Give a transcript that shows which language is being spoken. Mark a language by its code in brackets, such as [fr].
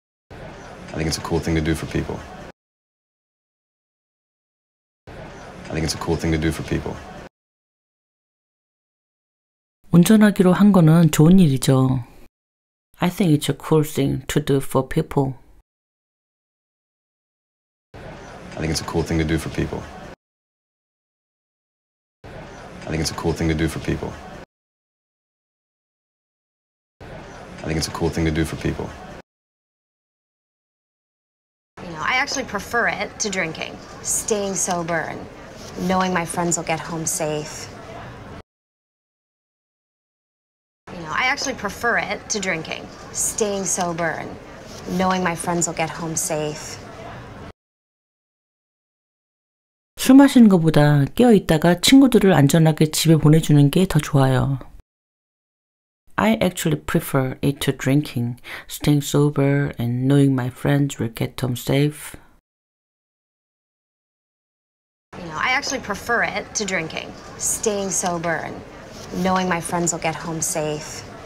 [en] I think it's a cool thing to do for people. I think it's a cool thing to do for people. [ko] 운전하기로 한 거는 좋은 일이죠. [en] I think it's a cool thing to do for people. I think it's a cool thing to do for people. I think it's a cool thing to do for people. I think it's a cool thing to do for people. You know, I actually prefer it to drinking. Staying sober and knowing my friends will get home safe. I actually prefer it to drinking. Staying sober and knowing my friends will get home safe. [ko] 술 마시는 것보다 깨어 있다가 친구들을 안전하게 집에 보내주는 게 더 좋아요. [en] I actually prefer it to drinking. Staying sober and knowing my friends will get home safe. You know, I actually prefer it to drinking. Staying sober and knowing my friends will get home safe.